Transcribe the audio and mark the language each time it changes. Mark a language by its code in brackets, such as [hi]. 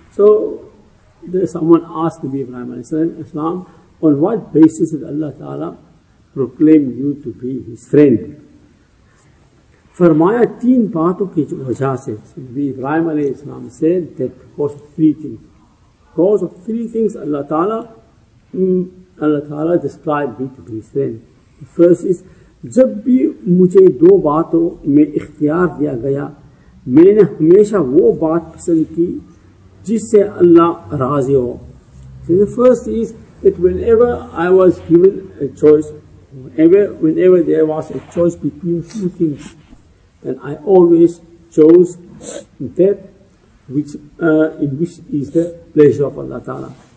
[en] So someone asked Nabi Ibrahim alayhi salam, on what basis did Allah Ta'ala proclaim you to be his friend? [ur] فرمایا تین باتوں کی وجہ سے. [en] Nabi Ibrahim alayhi salam said that because of three things Allah Ta'ala described me to be his friend. The first is, [ur] جب بھی مجھے دو باتوں میں اختیار دیا گیا, میں نے ہمیشہ وہ بات پسند کی جس سے اللہ راضی ہو. [en] So the first is that whenever I was given a choice, whenever there was a choice between two things, then I always chose that which in which is the pleasure of Allah Ta'ala.